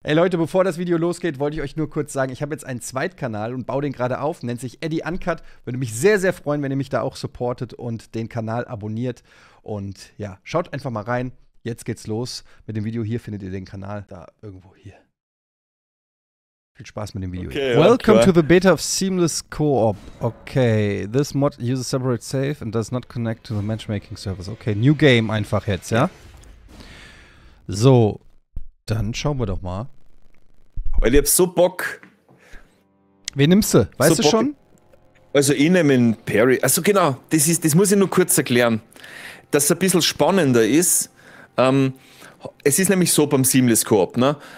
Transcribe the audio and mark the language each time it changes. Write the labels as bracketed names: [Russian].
[German] Ey Leute, bevor das Video losgeht, wollte ich euch nur kurz sagen, ich habe jetzt einen Zweitkanal und baue den gerade auf, nennt sich Eddie Uncut. Würde mich sehr, sehr freuen, wenn ihr mich da auch supportet und den Kanal abonniert. Und ja, schaut einfach mal rein. Jetzt geht's los mit dem Video. Hier findet ihr den Kanal, da irgendwo hier. Viel Spaß mit dem Video. Okay, [English] welcome to the beta of Seamless Co-op. Okay, this mod uses separate save and does not connect to the matchmaking service. [German] Okay, new game einfach jetzt, ja? So. Dann schauen wir doch mal. Weil ich hab so Bock. Wen nimmst du? Weißt so du Bock. Schon? Also ich nehme einen Perry. Also genau, das muss ich nur kurz erklären. Dass es ein bisschen spannender ist. Es ist nämlich so beim Seamless Coop, ne?